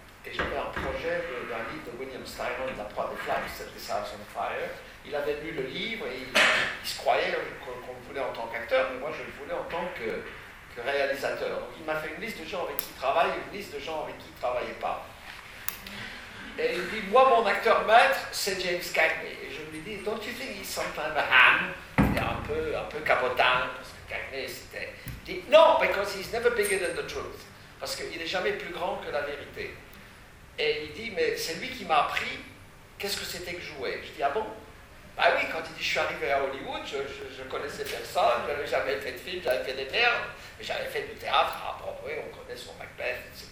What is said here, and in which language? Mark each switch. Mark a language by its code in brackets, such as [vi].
[fr] Et j'avais un projet d'un livre de William Styron, La Proie des Flammes, c'était Sounds on Fire. Il avait lu le livre et il se croyait qu'on le voulait en tant qu'acteur, mais moi je le voulais en tant que réalisateur. Donc il m'a fait une liste de gens avec qui il travaille et une liste de gens avec qui il ne travaillait pas. Et il dit, moi mon acteur maître, c'est James Cagney. Et je lui dis, [en] don't you think he's sometimes a ham? [fr] Il est un peu cabotin, parce que Cagney c'était... Il dit, non, [en] because he's never bigger than the truth. [fr] Parce qu'il n'est jamais plus grand que la vérité. Et il dit, mais c'est lui qui m'a appris qu'est-ce que c'était que jouer. Je dis, ah bon? Bah oui, quand il dit, je suis arrivé à Hollywood, je connaissais personne, je n'avais jamais fait de film, j'avais fait des merdes, mais j'avais fait du théâtre à Broadway, on connaît son Macbeth, etc.